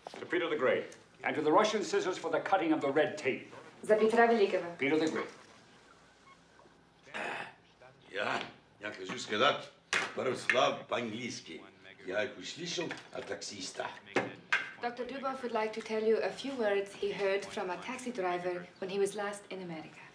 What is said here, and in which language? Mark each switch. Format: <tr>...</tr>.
<en>Peter the Great. And to the Russian scissors for the cutting of the red tape.</en> <ru>За Петра Великого.</ru> <en>Peter the Great.</en> <ru>Я, я хочу сказать, пару слов по-английски. Я их услышал от таксиста.</ru> <en>Dr. Dubov would like to tell you a few words he heard from a taxi driver when he was last in America.</en>